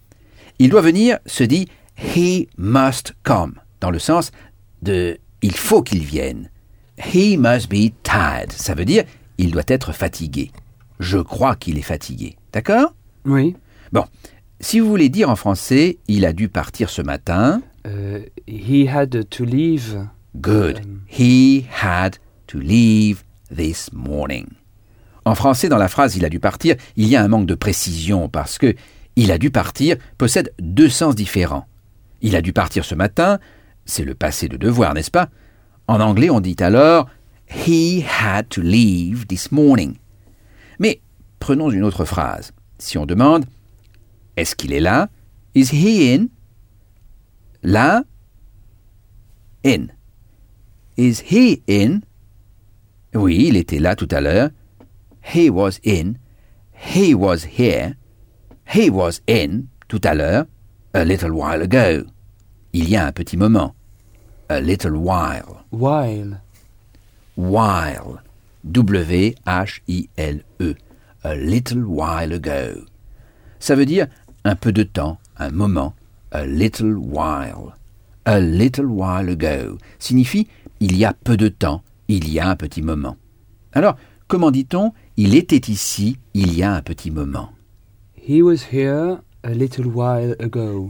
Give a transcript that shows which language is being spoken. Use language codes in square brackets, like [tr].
[fr] « Il doit venir » se dit « [en] he must come [fr] », dans le sens de « il faut qu'il vienne ». [en] He must be tired. [fr] Ça veut dire, il doit être fatigué. Je crois qu'il est fatigué. D'accord ? Oui. Bon, si vous voulez dire en français, il a dû partir ce matin. [en] He had to leave. Good. He had to leave this morning. [fr] En français, dans la phrase, il a dû partir, il y a un manque de précision parce que il a dû partir possède deux sens différents. Il a dû partir ce matin, c'est le passé de devoir, n'est-ce pas ? En anglais, on dit alors « [en] He had to leave this morning ». [fr] Mais prenons une autre phrase. Si on demande « Est-ce qu'il est là ?»« [en] Is he in ?»« [fr] Là ?»« [en] In ?»« [fr] Is he in ?» Oui, il était là tout à l'heure. [en] « He was in ?»« He was here ?»« He was in ?» [fr] tout à l'heure. « [en] A little while ago ?» [fr] Il y a un petit moment. [en] A little while. While. While. W-H-I-L-E. A little while ago. [fr] Ça veut dire un peu de temps, un moment. [en] A little while. A little while ago. [fr] Signifie il y a peu de temps, il y a un petit moment. Alors, comment dit-on il était ici, il y a un petit moment? [en] He was here a little while ago.